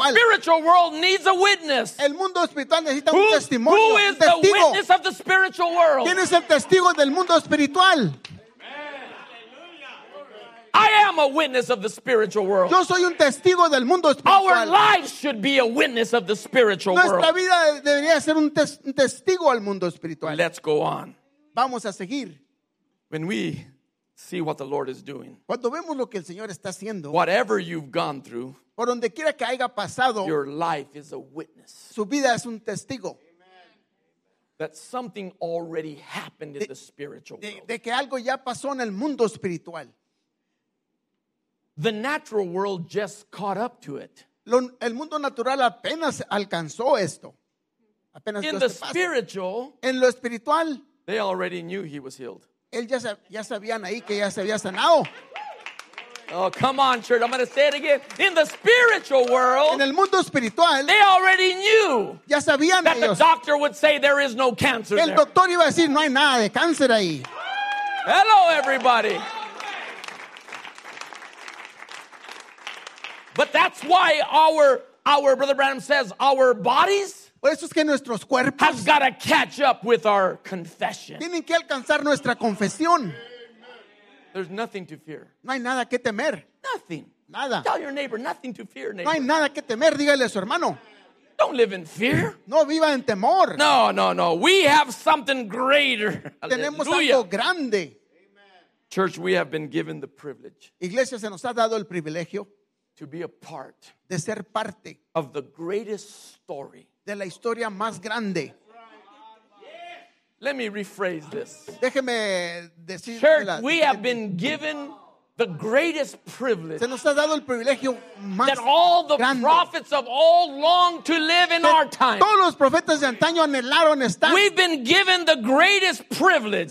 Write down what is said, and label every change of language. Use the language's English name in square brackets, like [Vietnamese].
[English] Right. The spiritual world needs a witness. [Spanish] El mundo espiritual necesita un testimonio. [English] Who is [Spanish] un testigo. [English] The witness of the spiritual world? [Spanish] ¿Quién es el testigo del mundo espiritual? [English] I am a witness of the spiritual world. [Spanish] Yo soy un testigo del mundo espiritual. [English] Our lives should be a witness of the spiritual [Spanish] nuestra [English] world. [Spanish] Nuestra vida debería ser un testigo al mundo espiritual. [English] Let's go on. [Spanish] Vamos a seguir. [English] When we see what the Lord is doing. [Spanish] Cuando vemos lo que el Señor está haciendo. [English] Whatever you've gone through. [Spanish] Por donde quiera que haya pasado. [English] Your life is a witness. [Spanish] Su vida es un testigo. [English] Amen. That something already happened in the spiritual world. [Spanish] De que algo ya pasó en el mundo espiritual. [English] The natural world just caught up to it. [Spanish] El mundo natural apenas alcanzó esto. Apenas [English] in the spiritual, [Spanish] en lo espiritual, [English] they already knew he was healed. [Spanish] Él ya sabían ahí que ya se había sanado. [English] Oh, come on, church. I'm going to say it again. In the spiritual world, [Spanish] en el mundo espiritual, [English] they already knew [Spanish] ya sabían [English] that [Spanish] ellos [English] the doctor would say there is no cancer [Spanish] el doctor iba a decir, no hay nada de cáncer ahí. [English] Hello, everybody. But that's why our Brother Branham says our bodies [Spanish] por eso es que nuestros cuerpos [English] has got to catch up with our confession. [Spanish] Tienen que alcanzar nuestra confesión. [English] There's nothing to fear. [Spanish] No hay nada que temer. [English] Nothing. [Spanish] Nada. [English] Tell your neighbor, nothing to fear, neighbor. [Spanish] No hay nada que temer, dígale a su hermano. [English] Don't live in fear. [Spanish] No viva en temor. [English] No, no, no. We have something greater. [Spanish] Tenemos algo grande. [English] Church, we have been given the privilege. [Spanish] Iglesia, se nos ha dado el privilegio [English] to be a part [Spanish] de ser parte [English] of the greatest story [Spanish] de la historia más grande. [English] Let me rephrase this. [Spanish] Déjeme decir [English] church, la, we have been given the greatest privilege. [Spanish] Se nos ha dado el privilegio más [English] that all the [Spanish] grande [English] prophets of old long to live in [Spanish] que [English] our time. [Spanish] Todos los profetas de antaño anhelaron estar. [English] We've been given the greatest privilege.